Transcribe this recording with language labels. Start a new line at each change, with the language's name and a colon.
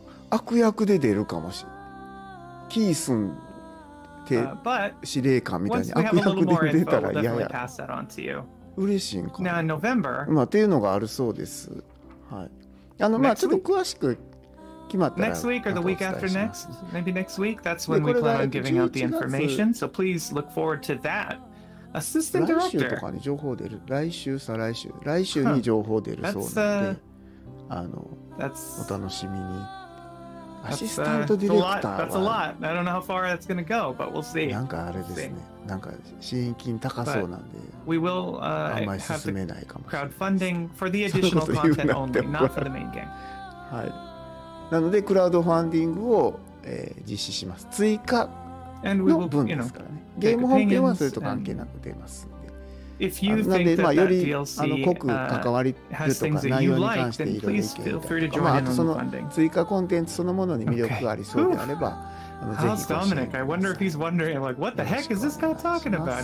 Japanese: 悪役で出るかもしれない。キースン司令官みたいに悪役で出たら嫌や。嬉しいんかな。まあ、というのがあるそうです。はい。まあちょっと詳しく決まったらお伝えします。
English: next week that's when we plan on giving out the information, so please look forward to that. Assistant director.
Japanese: 来週とかに情報出る。来週、再来週、来週に情報出るそうなんで、お楽しみに。アシスタントディレクターは、
English: that's a lot. I don't know how far that's going to go, but we'll see.
Japanese: なんかあれですね。なんか支援金高そうなんで、
English: we will,
Japanese: あんまり進めないかもしれない。
English: crowdfunding for the additional content only, not for the main game.
Japanese: はい。なのでクラウドファンディングを、実施します。追加の分ですからね。ゲーム本編はそれと関係なく出ますんで。
English: If you think that, that DLC has things that you like, then please feel free to join in on the funding. How's Dominic? I wonder if he's wondering, like, what the heck is this guy talking about?